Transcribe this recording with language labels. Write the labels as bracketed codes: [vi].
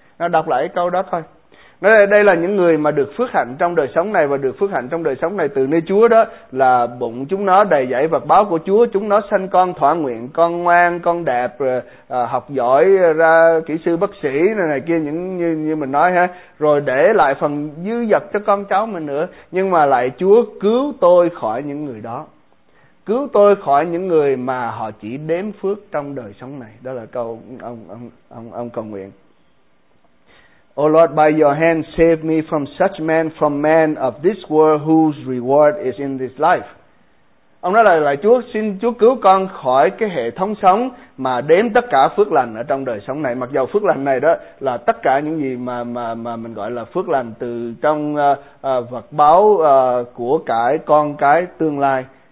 [vi] Nó đọc lại cái câu đó thôi. Nói đây là những người mà được phước hạnh trong đời sống này, và được phước hạnh trong đời sống này từ nơi Chúa đó, là bụng chúng nó đầy dẫy vật báo của Chúa, chúng nó sanh con thỏa nguyện, con ngoan, con đẹp, học giỏi, ra kỹ sư bác sĩ này kia, những như mình nói ha, rồi để lại phần dư dật cho con cháu mình nữa, nhưng mà lại Chúa cứu tôi khỏi những người đó, cứu tôi khỏi những người mà họ chỉ đếm phước trong đời sống này. Đó là câu ông cầu nguyện. [en] O Lord, by your hand save me from such men, from men of this world whose reward is in this life. [vi] Ông nói lại Chúa, xin Chúa cứu con khỏi cái hệ thống sống mà đếm tất cả phước lành ở trong đời sống này. Mặc dù phước lành này đó là tất cả những gì mà mình gọi là phước lành từ trong vật báo của cái con cái tương lai.